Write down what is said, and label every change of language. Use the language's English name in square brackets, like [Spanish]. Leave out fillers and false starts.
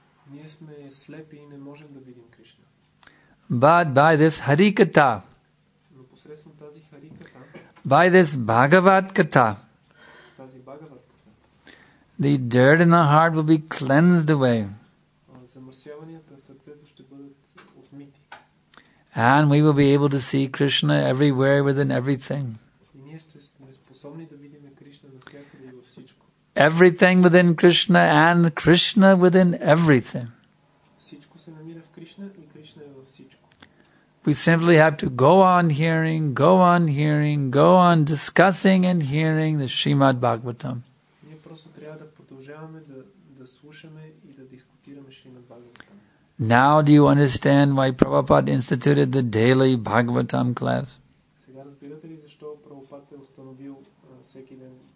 [Bulgarian] Ние сме слепи и не можем да видим Кришна. [English] But by this Harikata, [Bulgarian] но посредством тази Хариката, [English] by this Bhagavatkata, [Bulgarian] тази Бхагаватката, [English] the dirt in the heart will be cleansed away. [Bulgarian] Замърсяванията в сърцето ще бъдат отмити. [English] And we will be able to see Krishna everywhere within everything. [Bulgarian] И ние ще сме способни да видим Кришна навсякъде и във всичко. [English] Everything within Krishna and Krishna within everything. [Bulgarian] Всичко се намира в Кришна и Кришна е във всичко. [English] We simply have to go on hearing, go on hearing, go on discussing and hearing the Srimad Bhagavatam. [Bulgarian] Ние просто трябва да продължаваме да слушаме и да дискутираме Шримад Бхагаватам. [English] Now do you understand why Prabhupada instituted the daily Bhagavatam class? [Bulgarian] Сега разбирате ли защо Прабхупада е установил всеки ден?